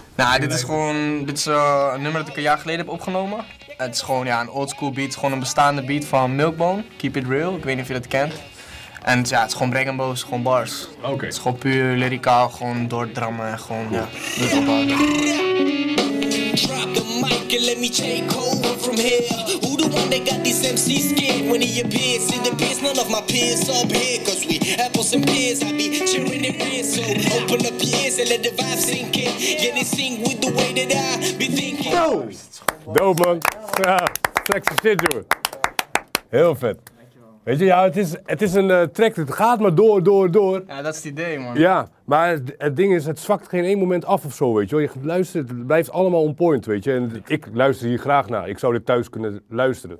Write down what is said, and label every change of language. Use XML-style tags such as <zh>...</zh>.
<nl>Nou, dit is een nummer dat ik een jaar geleden heb opgenomen. Het is gewoon ja, een oldschool beat, gewoon een bestaande beat van Milkbone, Keep It Real, ik weet niet of je dat kent. En ja, het is gewoon Brengenboos, gewoon bars. Okay. Het is gewoon puur lyricaal, gewoon doordrammen en gewoon, cool. Ja, dus ophouden.</nl> <en>Drop the mic and let me take over from here. They got these MCs scared when he appears in the piss. None of my peers up here, cause we apples and pears. I be cheering in here, so open up ears and let the vibe sink in. Yeah, they sing with the way that I be thinking. Dope, man.</en> <nl>Ja,</nl> <en>sexy shit,</en> <nl>joh. Heel vet. Weet je, ja, het is een track, het gaat maar door. Ja, dat is het idee, man. Ja, maar het ding is, het zwakt geen één moment af of zo, weet je. Je luistert, het blijft allemaal on point, weet je. En ik luister hier graag naar. Ik zou dit thuis kunnen luisteren.</nl>